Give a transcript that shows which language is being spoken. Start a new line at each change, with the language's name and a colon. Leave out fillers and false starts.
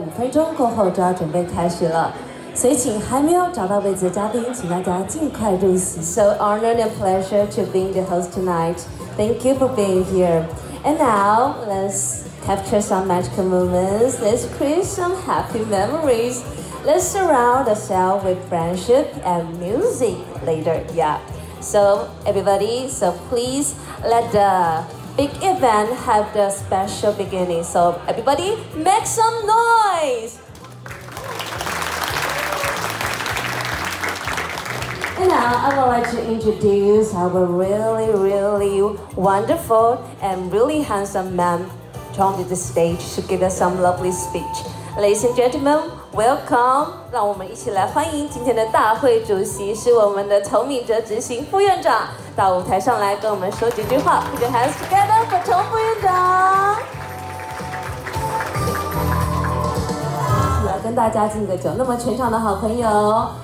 Chinese: 钟过后就要准备开始了，所以请还没有找到位置的嘉宾，请大家尽快入席。
English: So honor and pleasure to be the host tonight. Thank you for being here. And now let's capture some magical moments. Let's create some happy memories. Let's surround ourselves with friendship and music later. Yeah. So everybody, so please let the big event have the special beginning. So everybody, make some noise. And now I would like to introduce our really, really wonderful and really handsome man coming to the stage to give us some lovely speech. Ladies and gentlemen, welcome.
Chinese: 让我们一起来欢迎今天的大会主席，是我们的佟敏哲执行副院长，到舞台上来跟我们说几句话。
English: Put your hands together for 佟副院长。
Chinese: 来跟大家敬个酒，那么全场的好朋友。